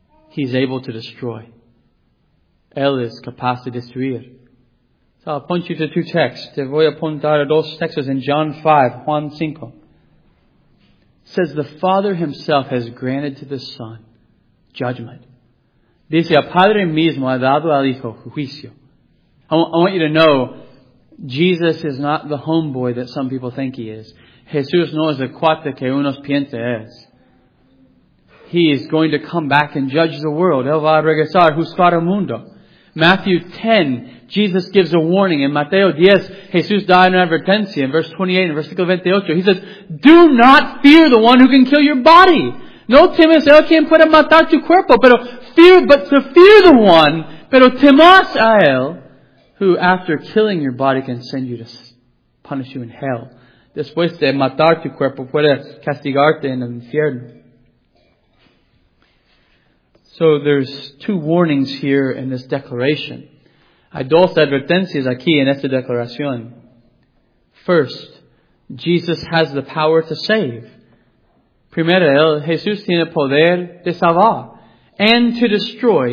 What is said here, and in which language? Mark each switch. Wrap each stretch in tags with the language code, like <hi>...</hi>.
<en>He's able to destroy.</en> <es>Él es capaz de destruir.</es> <en>So I'll point you to two texts.</en> <es>Te voy a apuntar a dos textos</es> <en>in John 5, Juan 5. It says the Father himself has granted to the Son judgment.</en> <es>Dice, a Padre mismo ha dado al Hijo juicio.</es> <en>I want you to know, Jesus is not the homeboy that some people think he is.</en> <es>Jesús no es el cuate que unos piensa es.</es> <en>He is going to come back and judge the world.</en> <es>Él va a regresar, juzgar el mundo.</es> <en>Matthew 10, Jesus gives a warning. In</en> <es>Mateo 10, Jesús da una advertencia.</es> <en>In verse 28,</en> <es>in versículo 28,</es> <en>he says, do not fear the one who can kill your body.</en> <es>No temas el quien puede matar tu cuerpo,</es> <en>pero fear, but to fear the one,</en> <es>pero temas a él,</es> <en>who after killing your body can send you to punish you in hell.</en> <es>Después de matar tu cuerpo puede castigarte en el infierno.</es> <en>So there's two warnings here in this declaration.</en> <es>Hay dos advertencias aquí en esta declaración.</es> <en>First, Jesus has the power to save.</en> <es>Primero, Jesús tiene poder de salvar</es> <en>and to destroy.</en>